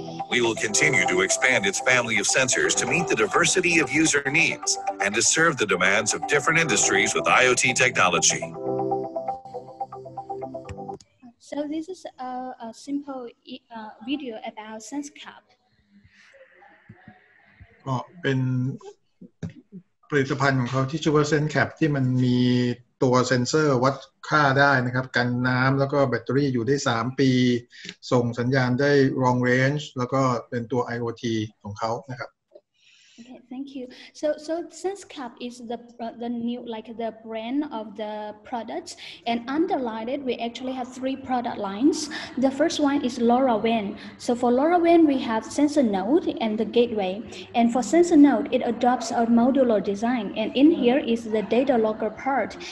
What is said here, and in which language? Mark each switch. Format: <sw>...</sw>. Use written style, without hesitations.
<en>We will continue to expand its family of sensors to meet the diversity of user needs and to serve the demands of different industries with IoT technology. So this is a simple video about SenseCap.</en> <th>ก็เป็นผลิตภัณฑ์ของเขาที่ชื่อว่า SenseCap ที่มันมีตัวเซ็นเซอร์วัดค่าได้นะครับกันน้ำแล้วก็แบตเตอรี่อยู่ได้3ปีส่งสัญญาณได้ long range แล้วก็เป็นตัว IoT ของเขานะครับ</th> <en>Okay, thank you. So SenseCap is the new, like the brand of the products, and underlined it, we actually have three product lines. The first one is LoRaWAN. So for LoRaWAN, we have sensor node and the gateway. And for sensor node, it adopts a modular design. And in here is the data logger part.</en>